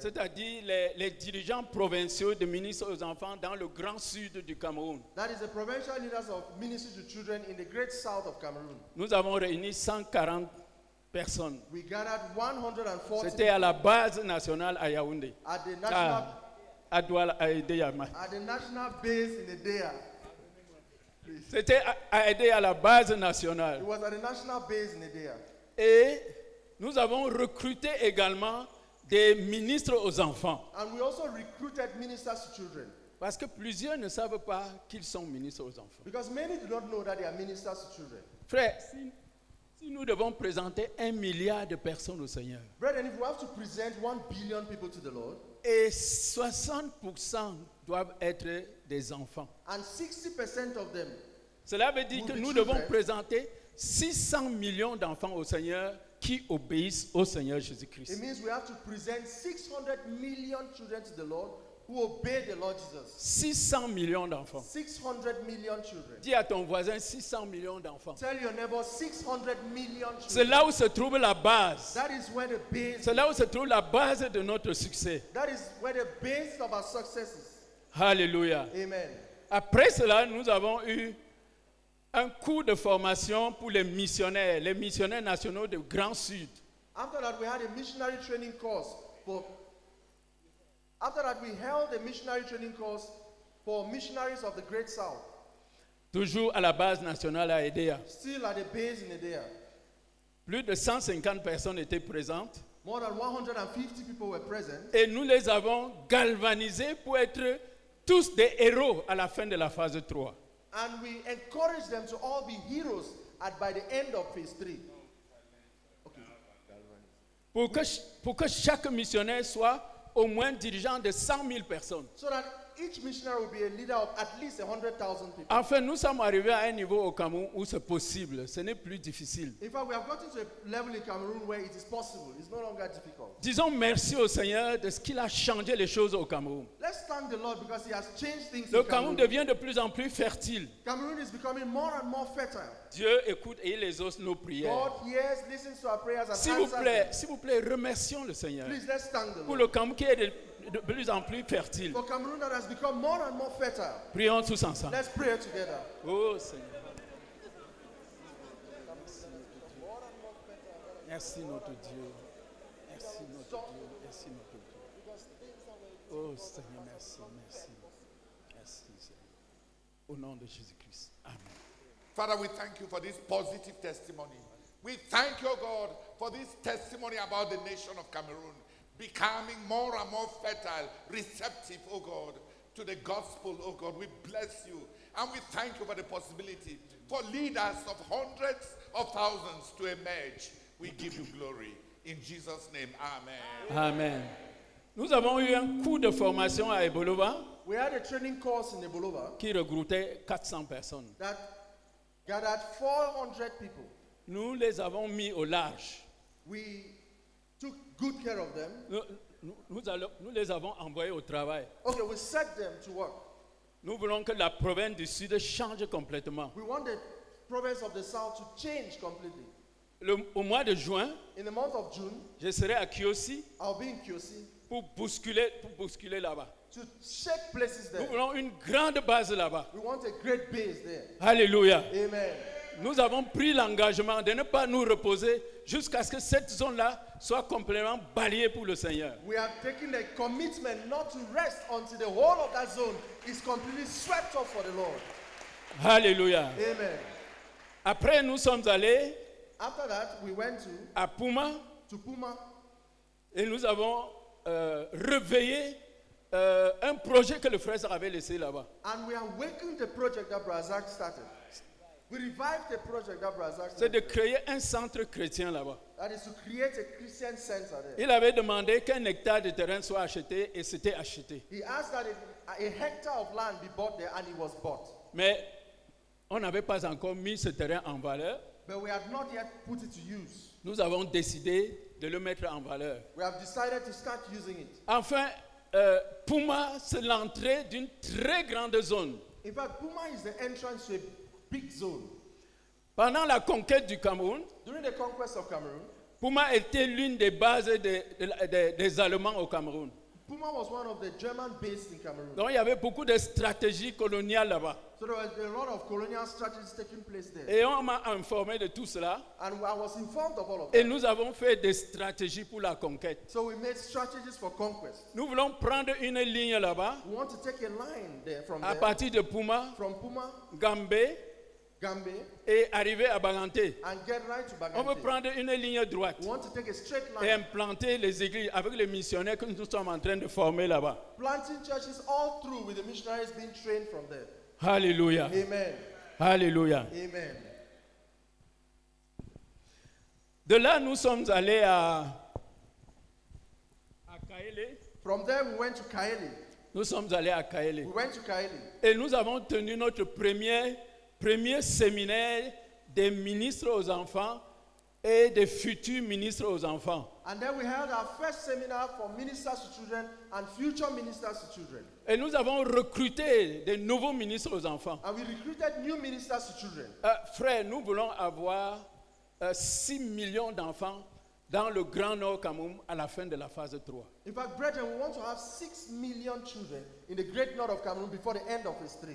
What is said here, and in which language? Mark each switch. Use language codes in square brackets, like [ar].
[fr] C'est-à-dire les dirigeants provinciaux de ministres aux enfants dans le grand sud du Cameroun. [en] That is the provincial leaders of ministers to children in the great south of Cameroon. [fr] Nous avons réuni 140 personnes. [en] We gathered 140. [fr] C'était à la base nationale à Yaoundé. [en] At the national [fr] à Douala, à Edea. [en] At the national base in Edea. [fr] C'était à aider à la base nationale. [en] It was at the national base in Edea. [fr] Et nous avons recruté également des ministres aux enfants. [en] And we also recruited ministers to children. [fr] Parce que plusieurs ne savent pas qu'ils sont ministres aux enfants. [en] Because many do not know that they are ministers to children. [fr] Frère, si nous devons présenter 1 milliard de personnes au Seigneur, [en] brethren, if we have to present 1 billion people to the Lord, [fr] et 60% doivent être des enfants. [en] And 60% of them. [fr] Cela veut dire que nous devons présenter 600 millions d'enfants au Seigneur qui obéissent au Seigneur Jésus-Christ. [en] It means we have to present 600 million children to the Lord who obey the Lord Jesus. [fr] 600 millions d'enfants. [en] 600 million children. [fr] Dis à ton voisin 600 millions d'enfants. [en] Tell your neighbor 600 million children. [fr] C'est là où se trouve la base. [en] That is where the base. [fr] C'est là où se trouve la base de notre succès. [en] That is where the base of our success is. [fr] Hallelujah. [en] Amen. [fr] Après cela, nous avons eu un cours de formation pour les missionnaires nationaux du Grand Sud. [en] After that, we had a missionary training course for. After that, we held a missionary training course for missionaries of the Great South. [fr] Toujours à la base nationale à Edea. [en] Still at the base in Edea. [fr] Plus de 150 personnes étaient présentes. [en] More than 150 people were present. [fr] Et nous les avons galvanisés pour être tous des héros à la fin de la phase 3. [en] And we encourage them to all be heroes at by the end of phase 3. Okay. [fr] Pour que chaque missionnaire soit au moins dirigeant de 100 000 personnes. [en] So that each missionary will be a leader of at least 100,000 people. [fr] Enfin, nous sommes arrivés à un niveau au Cameroun où c'est possible. Ce n'est plus difficile. [en] In fact, we have gotten to a level in Cameroon where it is possible. It's no longer difficult. [fr] Disons merci au Seigneur de ce qu'il a changé les choses au Cameroun. [en] Let's thank the Lord because He has changed things. [fr] Le Cameroun devient de plus en plus fertile. [en] Cameroon is becoming more and more fertile. [fr] Dieu écoute et il exauce nos prières. [en] God hears, listens to our prayers and [fr] s'il vous plaît, [en] them. [fr] S'il vous plaît, remercions le Seigneur. [en] Please, let's thank the Lord. [fr] Pour le Cameroun qui est de plus en plus fertile. [en] For Cameroon that has become more and more fertile. [fr] Prions tous ensemble. [en] Let's pray together. [fr] Oh Seigneur. Merci notre Dieu. Merci notre Dieu. Merci notre Dieu. Oh Seigneur, merci, merci. Merci Seigneur. Au nom de Jésus-Christ. Amen. [en] Father, we thank you for this positive testimony. We thank you, God, for this testimony about the nation of Cameroon becoming more and more fertile, receptive, oh God, to the gospel, oh God. We bless you and we thank you for the possibility for leaders of hundreds of thousands to emerge. We give you glory. In Jesus' name, amen. Amen. [fr] Nous avons eu un coup de formation à Ebolova. [en] We had a training course in Ebolova [fr] qui regroupait 400 personnes. [en] That gathered 400 people. [fr] Nous les avons mis au large. [en] We took good care of them. [fr] Nous les avons envoyés au travail. [en] Okay, we set them to work. [fr] Nous voulons que la province du sud change complètement. [en] We want the province of the south to change completely. [fr] Au mois de juin, [en] in the month of June, [fr] je serai à Kiosi. [en] I'll be in Kiosi. [fr] Pour bousculer là-bas. [en] To shake places there. [fr] Nous voulons une grande base là-bas. [en] We want a great base there. [fr] Alléluia. [en] Amen. [fr] Nous avons pris l'engagement de ne pas nous reposer jusqu'à ce que cette zone-là soit complètement balayée pour le Seigneur. [en] We have taken a commitment not to rest until the whole of that zone is completely swept up for the Lord. [fr] Alléluia. [en] Amen. [fr] Après, nous sommes allés [en] after that, we went to [fr] à Puma, [en] to Puma. [fr] Et nous avons réveillé un projet que le frère avait laissé là-bas. [en] And we awakened the project that Brazak started. We revived the project that Brazak [fr] c'est de créer un centre chrétien là-bas. [en] That is to create a Christian center there. [fr] Il avait demandé qu'un hectare de terrain soit acheté et c'était acheté. [en] He asked that a hectare of land be bought there and it was bought. [fr] Mais on n'avait pas encore mis ce terrain en valeur. [en] But we have not yet put it to use. [fr] Nous avons décidé de le mettre en valeur. [en] We have decided to start using it. [fr] Enfin, Puma, c'est l'entrée d'une très grande zone. [en] In fact, Puma is the entrance to a big zone. [fr] Pendant la conquête du Cameroun, [en] during the conquest of Cameroon, [fr] Puma était l'une des bases des Allemands au Cameroun. [en] Puma was one of the German bases in Cameroon. [fr] Donc il y avait beaucoup de stratégies coloniales là-bas. [en] So there was a lot of colonial strategies taking place there. [fr] Et on m'a informé de tout cela. [en] And I was informed of all of that. [fr] Et nous avons fait des stratégies pour la conquête. [en] So we made strategies for conquest. [fr] Nous voulons prendre une ligne là-bas. [en] We want to take a line there from [fr] à [en] there. [fr] À partir de Puma. [en] From Puma. [fr] Gambé. Et arriver à Baganté. [en] And get right to Baganté. [fr] On veut prendre une ligne droite. [en] We want to take a straight line. [fr] Et implanter les églises avec les missionnaires que nous sommes en train de former là-bas. [en] Planting churches all through with the missionaries being trained from there. [fr] Alléluia. [en] Amen. [fr] Alléluia. [en] Amen. [fr] De là, nous sommes allés à Kaélé. [en] From there, we went to Kaélé. [fr] Nous sommes allés à Kaélé. [en] We went to Kaélé. [fr] Et nous avons tenu notre premier séminaire des ministres aux enfants et des futurs ministres aux enfants. [en] And then we held our first seminar for ministers to children and future ministers to children. [fr] Et nous avons recruté des nouveaux ministres aux enfants. [en] And we recruited new ministers to children. [fr] Frère, nous voulons avoir 6 millions d'enfants dans le Grand Nord Cameroun à la fin de la phase 3. [en] In fact, brethren, we want to have 6 million children in the Great Nord of Cameroon before the end of phase 3.